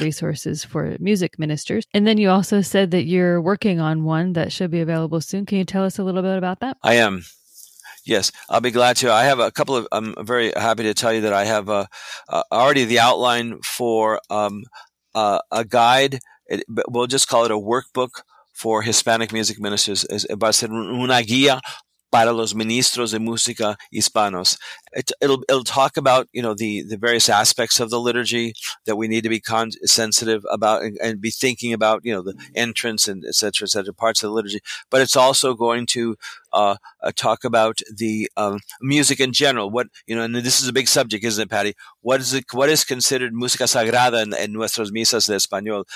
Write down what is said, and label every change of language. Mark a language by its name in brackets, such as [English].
[English] Resources for music ministers. And then you also said that you're working on one that should be available soon. Can you tell us a little bit about that? I am. Yes, I'll be glad to. I have a couple of, I'm very happy to tell you that I have already the outline for a guide we'll just call it a workbook for Hispanic music ministers. [Spanish] Va a ser una guía para los ministros de música hispanos. [English] It'll talk about, you know, the various aspects of the liturgy that we need to be sensitive about and be thinking about, you know, the entrance and et cetera, parts of the liturgy. But it's also going to talk about the music in general. What, you know, and this is a big subject, isn't it, Patty? What is considered [Spanish] música sagrada [English] in [Spanish] nuestras misas de español?